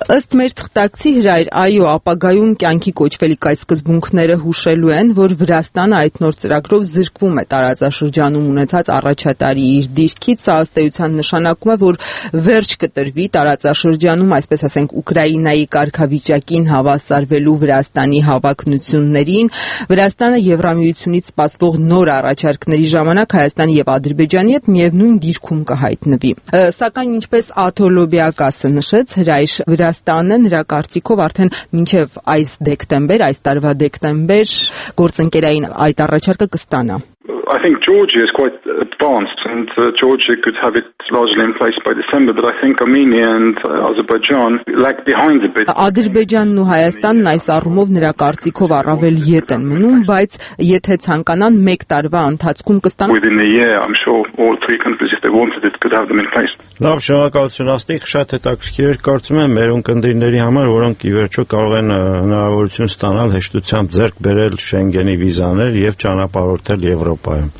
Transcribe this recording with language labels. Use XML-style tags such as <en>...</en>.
<hy>Ըստ մեր թղթակցի հրայր, այո, ապագայում կյանքի կոչվելիք այդ սկզբունքները հուշելու են, որ Վրաստանը այդ նոր ծրագրով զրկվում է տարածաշրջանում ունեցած առաջատարի իր դիրքից, ազդեցության նշանակում է, որ վերջ կտրվի տարածաշրջանում, այսպես ասենք, Ուկրաինայի կարգավիճակին հավասարվելու Վրաստանի հավակնություններին։ Վրաստանը Եվրամիությունից սպասվող նոր առաջարկների ժամանակ Հայաստանի եւ Ադրբեջանի հետ միևնույն դիրքում կհայտնվի։ Սակայն, ինչպես Աթո Լոբիակասը նշեց, հրայր, Վրաստանը նրա կարծիքով արդեն մինչև այս դեկտեմբեր, այս տարվա դեկտեմբեր գործընկերային այդ առաջարկը կստանա։</hy> <en>I think Georgia is quite advanced and Georgia could have it largely in place by December, but I think Armenia and Azerbaijan lag behind a bit.</en> <hy>Ադրբեջանն ու Հայաստանն այս առումով նրա կարծիքով առավել ետ են մնում, բայց եթե ցանկանան, մեկ տարվա ընթացքում կստանան։</hy> <en>Within a year, I'm sure all three countries, if they wanted it, could have them in place.</en> <hy>Լավ, շնորհակալություն, աստիկ, շատ հետաքրքիր էր, կարծում եմ, մեր ընկերների համար, որոնք ի վերջո կարող են հնարավորություն ստանալ հեշտությամբ ձեռք բերել Շենգենի վիզաներ եւ ճանապարհորդել Եվրոպա։</hy>